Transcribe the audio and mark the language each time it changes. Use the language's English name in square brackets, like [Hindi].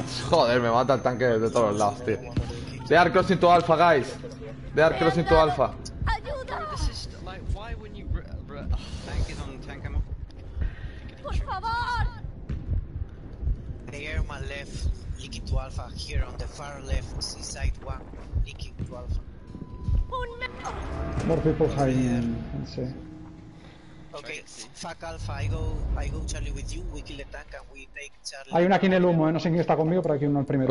[Spanish] Joder, me mata el tanque de todos los lados, tío. [English] They are crossing to Alpha, guys. They are crossing to Alpha. [Spanish] Ayuda! [English] This is like, why wouldn't you tank is on tank ammo? [Spanish] Por favor! [English] They are on my left. Leaking to Alpha here on the far left, side one, leaking to Alpha. More people hiding, let's see. Okay, fuck Alpha, I go Charlie with you, we kill the tank and we take Charlie. [Spanish] Hay uno aquí en el humo, no sé quién está conmigo, pero aquí uno en el primer.